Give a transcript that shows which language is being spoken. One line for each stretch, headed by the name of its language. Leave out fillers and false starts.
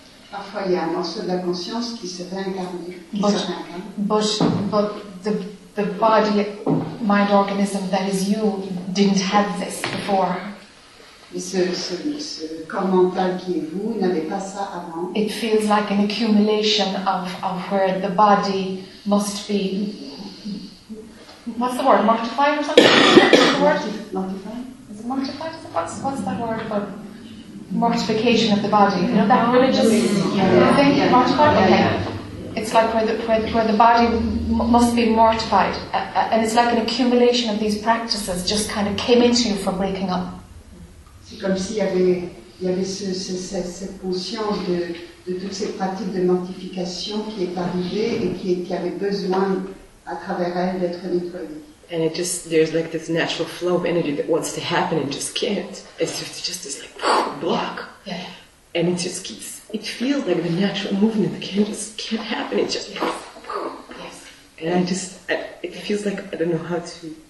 French: Parfois, il y a un morceau de la conscience qui se réincarne.
English: But the body, mind organism that is you didn't have this before.
French: Ce corps mental qui est vous, il n'avait pas ça avant.
English: It feels like an accumulation of where the body must be. What's the word? Mortify or something? What's the word? Mortify. Is it mortify? What's that word for mortification of the body? You know that religious thing? Yeah. Mortify. Yeah. Okay. It's like where the body must be mortified, and it's like an accumulation of these practices just kind of came into you from waking up.
French: C'est comme s'il y avait cette conscience de toutes ces pratiques de mortification qui est arrivée et qui avait besoin à travers elle d'être nettoyée.
English: And it just, there's like this natural flow of energy that wants to happen and just can't. It's just this like block. Yeah. And it just keeps, it feels like the natural movement that can't happen. It just, yes. And I just, it feels like I don't know how to.